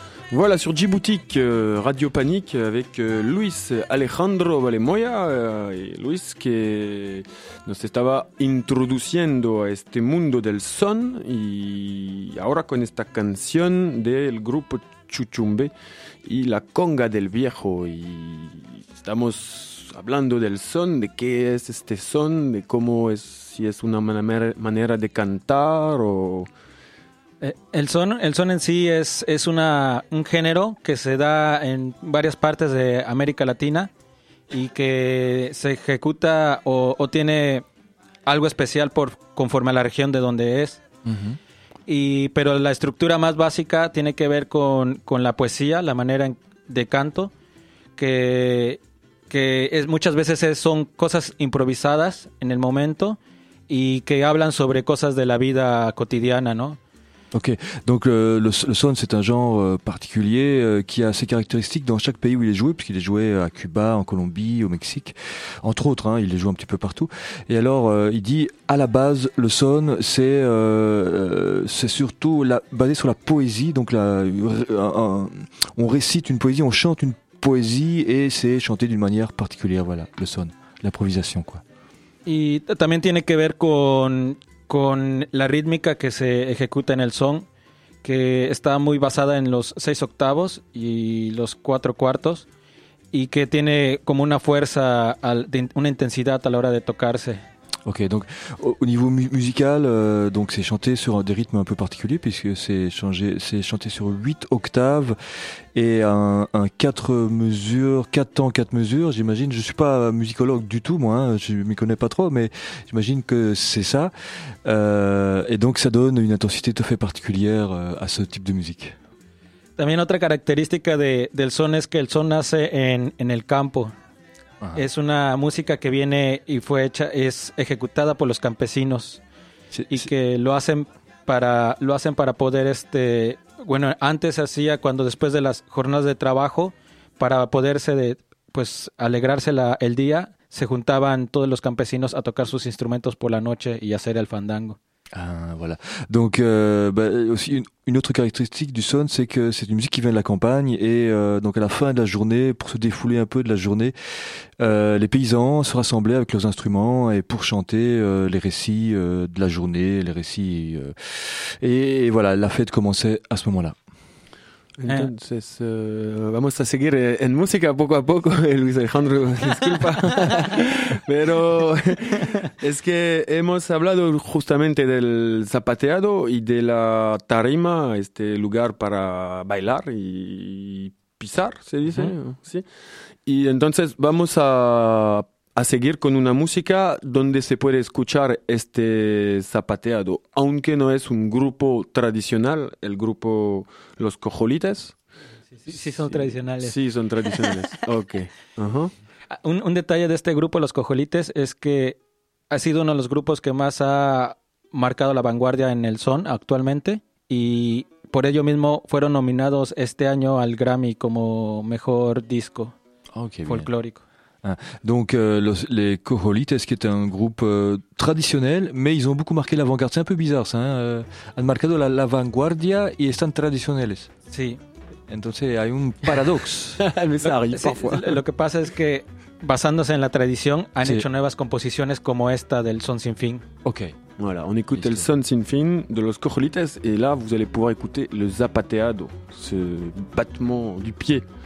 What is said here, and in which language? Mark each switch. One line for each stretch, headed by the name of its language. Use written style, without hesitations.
French: Voilà, sur Djiboutique, Radio Panique, avec Luis Alejandro Valemoya.
Spanish: Luis, que nos estaba introduciendo a este mundo del son, y ahora con esta canción del grupo Chuchumbe y la Conga del Viejo. Y estamos hablando del son, de qué es este son, de cómo es, si es una manera de cantar o... El son en sí es un género que se da en varias partes de América Latina y que se ejecuta o tiene algo especial por conforme a la región de donde es. Uh-huh. Pero la estructura más básica tiene que ver con la poesía, la manera de canto, que es, muchas veces son cosas improvisadas en el momento y que hablan sobre cosas de la vida cotidiana, ¿no?
French: Ok, donc le son, c'est un genre particulier qui a ses caractéristiques dans chaque pays où il est joué, puisqu'il est joué à Cuba, en Colombie, au Mexique, entre autres, hein, il est joué un petit peu partout. Et alors, il dit, à la base, le son, c'est surtout basé sur la poésie, donc on récite une poésie, on chante une poésie, et c'est chanté d'une manière particulière, voilà, le son, l'improvisation, quoi.
Spanish: Et también tiene que ver con la rítmica que se ejecuta en el son, que está muy basada en los 6 octavos y los 4/4, y que tiene como una fuerza, una intensidad a la hora de tocarse.
French: Ok, donc au niveau musical, donc c'est chanté sur des rythmes un peu particuliers, puisque c'est chanté sur 8 octaves et un 4 mesures, 4 temps, 4 mesures, j'imagine. Je ne suis pas musicologue du tout, moi, hein, je ne m'y connais pas trop, mais j'imagine que c'est ça. Et donc ça donne une intensité tout à fait particulière à ce type de musique.
Spanish: También otra característica del son es que el son nace en el campo. Ajá. Es una música que viene y fue hecha, es ejecutada por los campesinos, sí, y sí. Que lo hacen para poder bueno, antes se hacía cuando después de las jornadas de trabajo, para poderse pues alegrarse el día, se juntaban todos los campesinos a tocar sus instrumentos por la noche y hacer el fandango.
French: Ah, voilà. Donc, aussi une autre caractéristique du son, c'est que c'est une musique qui vient de la campagne et donc à la fin de la journée, pour se défouler un peu de la journée, les paysans se rassemblaient avec leurs instruments et pour chanter les récits de la journée, les récits et voilà, la fête commençait à ce moment-là.
Spanish: Entonces, vamos a seguir en música poco a poco, Luis Alejandro, disculpa, pero es que hemos hablado justamente del zapateado y de la tarima, este lugar para bailar y pisar, se dice, ¿sí? Y entonces vamos a seguir con una música donde se puede escuchar este zapateado, aunque no es un grupo tradicional, el grupo Los Cojolites. Sí, son tradicionales. Sí, son tradicionales. Ok. Uh-huh. Un detalle de este grupo Los Cojolites es que ha sido uno de los grupos que más ha marcado la vanguardia en el son actualmente, y por ello mismo fueron nominados este año al Grammy como mejor disco folclórico. Bien.
French: Donc les Cojolites, qui était un groupe traditionnel, mais ils ont beaucoup marqué l'avant-garde. C'est un peu bizarre ça, hein?
Spanish: Han marcado la vanguardia y están tradicionales. Sí. Entonces hay un paradoxe.
French: Mais ça arrive parfois.
Spanish: Lo que pasa es que basándose en la tradición han hecho nuevas composiciones como esta del Son Sin Fin. Ok.
French: Voilà, on écoute el Son Sin Fin de los Cojolites et là vous allez pouvoir écouter le zapateado, ce battement du pied.